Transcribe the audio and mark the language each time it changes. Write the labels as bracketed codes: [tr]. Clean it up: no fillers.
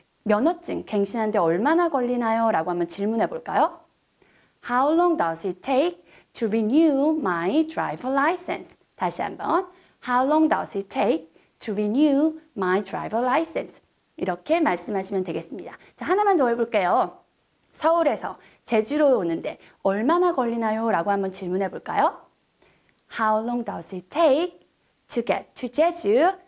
[ko] 면허증, 갱신하는데 얼마나 걸리나요? 라고 한번 질문해 볼까요? [en] How long does it take to renew my driver license? [ko] 다시 한번, [en] How long does it take to renew my driver license? [ko] 이렇게 말씀하시면 되겠습니다. 자, 하나만 더 해볼게요. 서울에서 제주로 오는데 얼마나 걸리나요? 라고 한번 질문해 볼까요? [en] How long does it take to get to 제주?